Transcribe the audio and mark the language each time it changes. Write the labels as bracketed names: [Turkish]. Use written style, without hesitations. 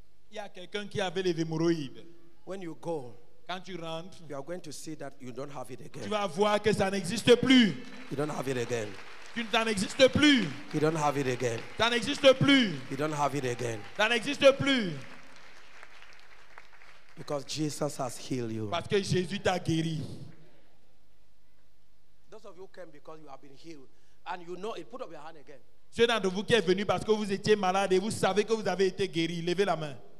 [French] Il y a quelqu'un qui avait les hémorroïdes. [English] When you go, [French] quand tu rentres, [English] you are going to see that you don't have it again. [French] Tu vas voir que ça n'existe plus. [English] You don't have it again. [French] Tu n'existes plus. [English] You don't have it again. [French] Tu n'existes plus. [English] You don't have it again. [French] Tu n'existes plus. [English] Because Jesus has healed you. [French] Parce que Jésus t'a guéri. [English] Those of you came because you have been healed, and you know it. Put up your hand again. [French] Ceux d'entre vous qui êtes venus parce que vous étiez malade et vous savez que vous avez été guéri, levez la main.